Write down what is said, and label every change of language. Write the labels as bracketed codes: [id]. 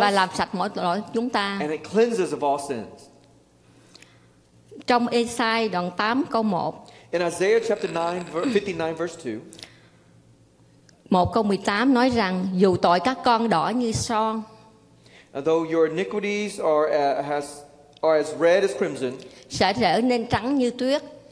[vi] và làm sạch mọi lỗi chúng ta. [en] And it cleanses of all sins. [vi] Trong Ê-sai đoạn 8 câu 1. [en] In Isaiah chapter 9, 59 verse 2. [vi] 1 câu 18 nói rằng dù tội các con đỏ như son. [en] Though your iniquities are as red as crimson. [vi] Sẽ trở nên trắng như tuyết.